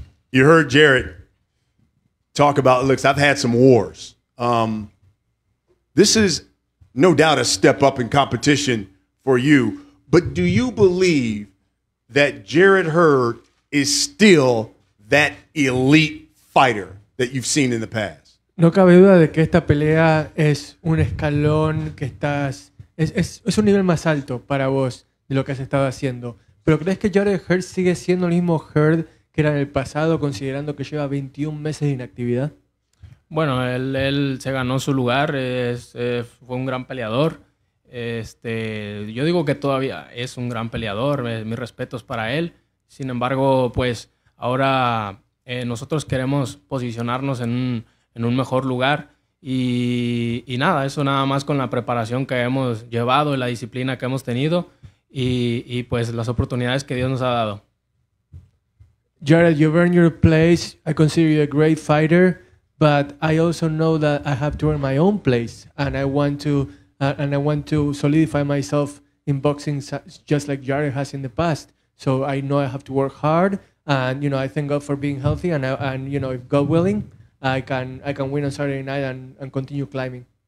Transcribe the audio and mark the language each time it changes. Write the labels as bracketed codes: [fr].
[en] You heard Jarrett talk about, looks, I've had some wars. This is no doubt a step up in competition for you, but do you believe that Jarrett Hurd is still that elite fighter that you've seen in the past. [es] No cabe duda de que esta pelea es un escalón que estás es un nivel más alto para vos de lo que has estado haciendo. ¿Pero crees que Jarrett Hurd sigue siendo el mismo Hurd que era en el pasado, considerando que lleva 21 meses de inactividad? Bueno, él se ganó su lugar, fue un gran peleador. Yo digo que todavía es un gran peleador, mis respetos para él. Sin embargo, pues ahora nosotros queremos posicionarnos en un mejor lugar. Y nada, eso nada más con la preparación que hemos llevado y la disciplina que hemos tenido. Y pues las oportunidades que Dios nos ha dado. [en] Jarrett, you've earned your place. I consider you a great fighter, but I also know that I have to earn my own place, and I want to solidify myself in boxing just like Jarrett has in the past. So I know I have to work hard, and you know, I thank God for being healthy, and you know, if God willing, I can win on Saturday night and continue climbing.